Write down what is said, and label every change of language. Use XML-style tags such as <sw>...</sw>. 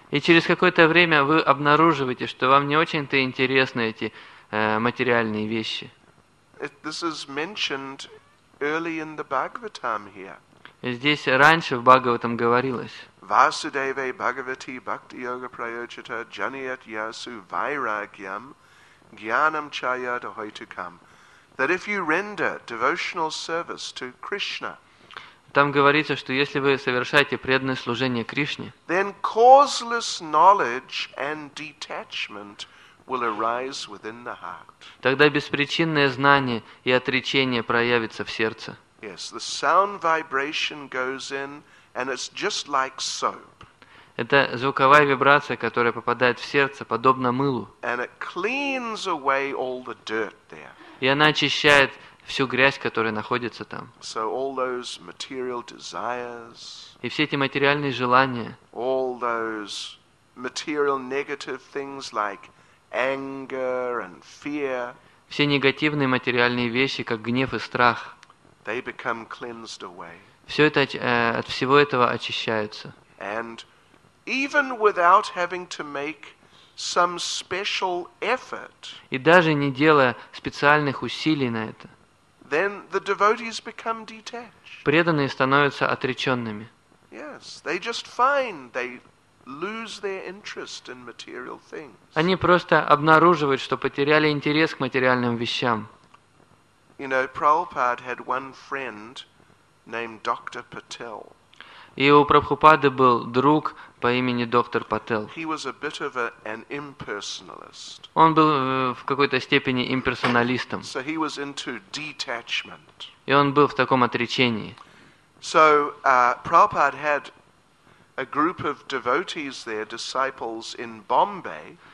<ru>И через какое-то время вы обнаруживаете, что вам не очень-то интересны эти материальные вещи.</ru> <en>This is mentioned early in the Bhagavatam here.</en> <ru>Здесь раньше в Бхагаватам говорилось.</ru> <sa>Васудеве Бхагавати Бхакти Йога Прайочита Джаният Ясу Вайрагьям Гьянам Чаят Ахойтукам.</sa> <en>That if you render devotional service to Krishna.</en> <ru>Там говорится, что если вы совершаете преданное служение Кришне,</ru> <en>then causeless knowledge and detachment will arise within the heart.</en> <ru>Тогда беспричинное знание и отречение проявится в сердце.</ru> <en>Yes, the sound vibration goes in, and it's just like soap.</en> <ru>Это звуковая вибрация, которая попадает в сердце, подобно мылу.</ru> <en>And it cleans away all the dirt there.</en> <ru>И она очищает всю грязь, которая находится там.</ru> <en>So all those material desires,</en> <ru>и все эти материальные желания,</ru> <en>all those material negative things like anger and fear,</en> <ru>все негативные материальные вещи, как гнев и страх,</ru> <en>they become cleansed away.</en> <ru>Все это, от всего этого очищаются.</ru> <en>And even without having to make some special effort,</en> <ru>и даже не делая специальных усилий на это,</ru> <en>then the devotees become detached.</en> <ru>Преданные становятся отреченными.</ru> <en>Yes, they just find they lose their interest in material things.</en> <ru>Они просто обнаруживают, что потеряли интерес к материальным вещам.</ru> <en>You know, Prabhupada had one friend named Dr. Patel.</en> <ru>И у Прабхупады был друг по имени доктор Пател.</ru> <en>He was a bit of an impersonalist.</en> <ru>Он был в какой-то степени имперсоналистом.</ru> <en>So he was into detachment.</en> <ru>И он был в таком отречении.</ru> <en>So, Prabhupada had a group of devotees there, disciples in Bombay.</en>